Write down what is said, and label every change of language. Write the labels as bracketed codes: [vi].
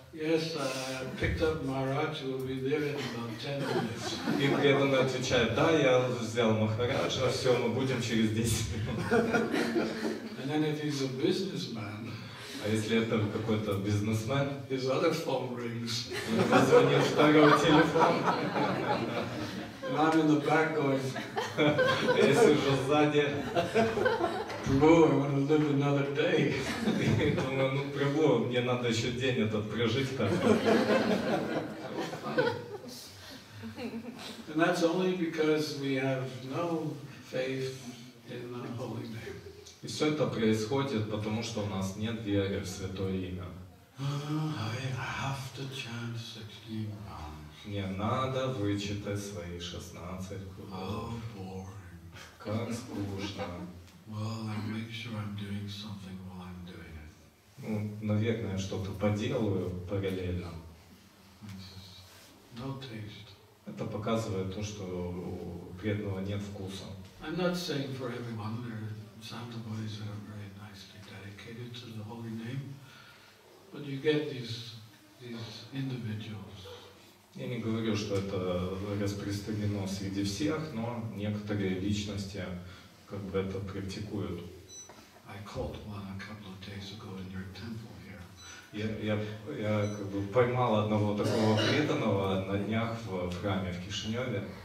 [en] Yes, I picked up Maharaj, we'll be there in about 10 minutes. [ru] И преданный отвечает, да, я взял Махараджа, все, мы будем через 10 минут. [en] And then if he's a businessman, [ru] а если это какой-то бизнесмен, [en] his other phone rings. [ru] Он звонит второго телефона. [en] And I'm in the back going, [ru] я сижу сзади. [en] Prabhu, I want to live another day. [ru] Думаю, ну, Прабу, мне надо еще день этот прожить там. [en] And that's only because we have no faith in the holy name. [ru] И все это происходит, потому что у нас нет веры в святое имя. [en] I have to chant 16 rounds. [ru] Мне надо вычитать свои 16 кругов. [en] How boring. [ru] Как скучно. [en] Well, I make sure I'm doing something while I'm doing it. [ru] Ну, наверное, что-то поделаю параллельно. [en] No taste. [ru] Это показывает то, что у преданного нет вкуса. [en] I'm not saying for everyone. There are some devotees that are very nicely dedicated to the holy name. But you get these individuals. [ru] Я не говорю, что это распространено среди всех, но некоторые личности как бы это практикуют. [en] I caught one a couple of days ago in your temple here. [ru] Я как бы поймал одного такого преданного на днях в храме в Кишиневе.